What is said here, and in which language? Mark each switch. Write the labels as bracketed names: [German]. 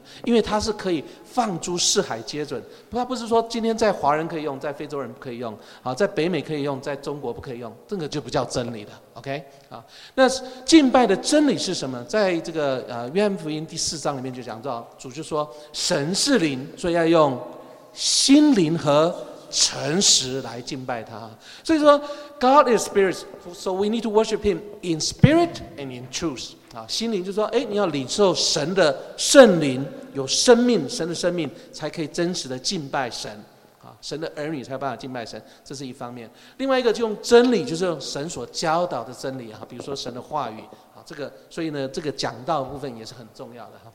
[Chinese] 因为它是可以放诸四海皆准，它不是说今天在华人可以用，在非洲人不可以用，在北美可以用，在中国不可以用，这个就不叫真理的 OK。那敬拜的真理是什么？在这个约翰福音第四章里面就讲到，主就说神是灵，所以要用心灵和诚实来敬拜他。所以说 [English] God is spirit, so we need to worship him in spirit and in truth。 [Chinese] 心灵就是说，你要领受神的圣灵，有生命，神的生命才可以真实的敬拜神，神的儿女才有办法敬拜神，这是一方面。另外一个就用真理，就是用神所教导的真理，比如说神的话语，这个，所以呢，这个讲道部分也是很重要的。